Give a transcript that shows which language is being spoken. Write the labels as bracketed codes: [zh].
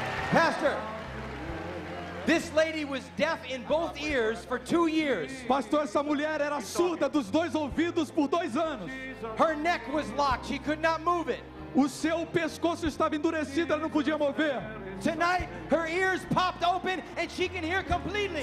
[en] Pastor, this lady was deaf in both ears for 2 years. [pt] Pastor, essa mulher era surda dos dois ouvidos por 2 anos. [en] Her neck was locked. She could not move it. [pt] O seu pescoço estava endurecido, ela não podia mover. [en] Tonight, her ears popped open and she can hear completely.